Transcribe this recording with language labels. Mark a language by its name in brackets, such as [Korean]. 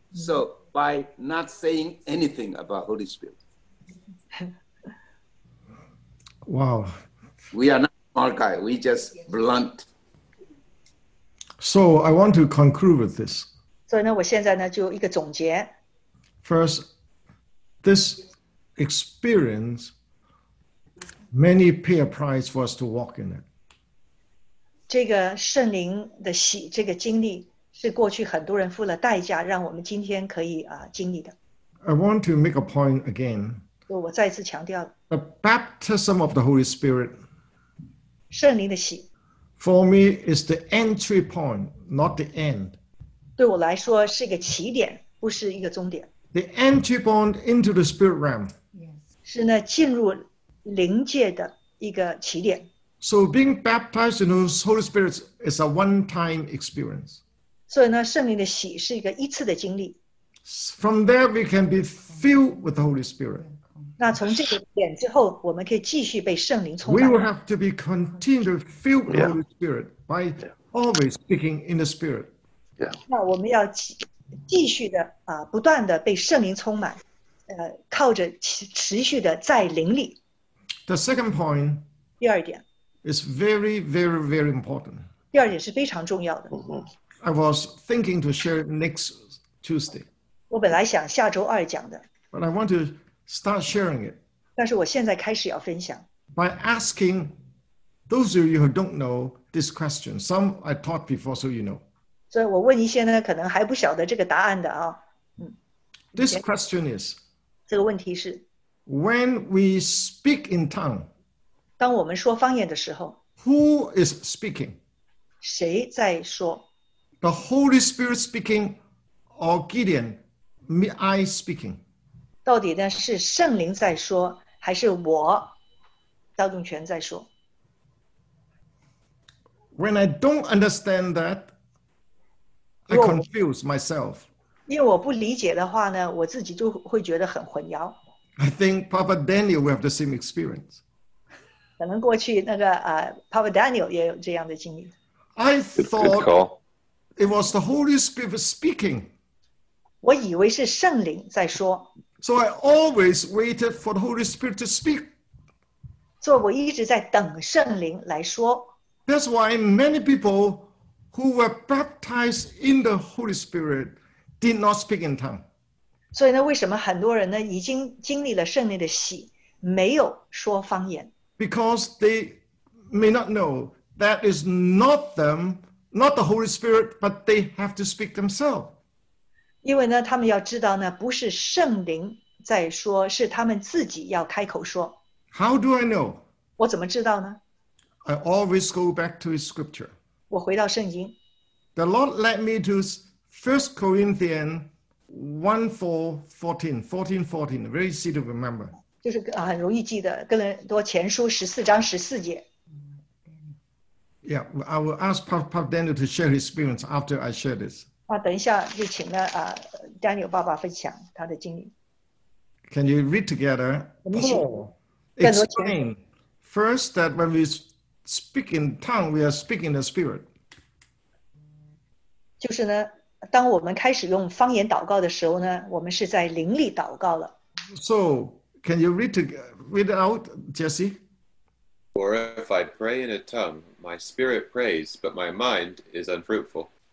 [English] So by not saying anything about Holy Spirit. Wow. We are not smart guy, we just blunt. So I want to conclude with this. [Chinese] 所以呢,我现在呢, 就一个总结。 [English] First, this experience, many pay a price for us to walk in it. [Chinese] 这个圣灵的喜, 这个经历, 是过去很多人付了代价让我们今天可以, 经历的。 [English] I want to make a point again. [Chinese] 我再次强调, [English] the baptism of the Holy Spirit [Chinese] 圣灵的喜, [English] for me is the entry point, not the end. [Chinese] 对我来说是一个起点, 不是一个终点。 [English] The entry point into the spirit realm. [Chinese] 是呢, 进入灵界的一个起点。 [English] So being baptized in the Holy Spirit is a one-time experience. [Chinese] 所以呢,圣灵的喜是一个一次的经历。 [English] From there, we can be filled with the Holy Spirit. [Chinese] 那从这个点之后,我们可以继续被圣灵充满。 [English] We will have to be continually filled with the Holy Spirit by always speaking in the Spirit. Yeah. [Chinese] 那我们要继续的, 不断地被圣灵充满, 靠着持续地在灵里。 [English] The second point [Chinese] 第二点, [English] is very, very, very important. [Chinese] 第二点是非常重要的。 [English] I was thinking to share next Tuesday. [Chinese] 我本来想下周二讲的。 [English] But I want to start sharing it. [Chinese] 但是我现在开始要分享。 [English] By asking those of you who don't know this question. Some I taught before, so you know. [Chinese] 所以我问一些呢,可能还不晓得这个答案的啊。 [English] This question is, [Chinese] 这个问题是, [English] when we speak in tongue, [Chinese] 当我们说方言的时候, [English] who is speaking? [Chinese] 谁在说? [English] The Holy Spirit speaking or Gideon, me, I speaking? [Chinese] 到底呢,是圣灵在说, 还是我, 赵仲权在说? [English] When I don't understand that, I confuse myself. [Chinese] 因为我不理解的话呢, 我自己就会觉得很混淆。 [English] I think Papa Daniel will have the same experience. [Chinese] 可能过去那个, Papa Daniel也有这样的经历。 [English] I thought... It was the Holy Spirit speaking. [Chinese] 我以为是圣灵在说。 [English] So I always waited for the Holy Spirit to speak. [Chinese] 所以我一直在等圣灵来说。 [English] That's why many people who were baptized in the Holy Spirit did not speak in tongue. [Chinese] 所以呢,为什么很多人呢,已经经历了圣灵的喜,没有说方言。 [English] Because they may not know that is not them. Not the Holy Spirit, but they have to speak themselves. [Chinese] 因为呢,他们要知道呢,不是圣灵在说，是他们自己要开口说。 [English] How do I know? [Chinese] 我怎么知道呢？ [English] I always go back to his scripture. [Chinese] 我回到圣经。 [English] The Lord led me to 1 Corinthians 1:14, very easy to remember. [Chinese] 就是很容易记得，哥林多前书14章14节。 [English] Yeah, I will ask Pastor Daniel to share his experience after I share this. [Chinese] 啊，等一下就请了啊 ，Daniel 爸爸分享他的经历。 [English] Can you read together? Paul explained first that when we speak in tongue, we are speaking the spirit. [Chinese] 就是呢，当我们开始用方言祷告的时候呢，我们是在灵里祷告了。 [English] So, can you read out, Jesse? For if I pray in a tongue, my spirit prays, but my mind is unfruitful.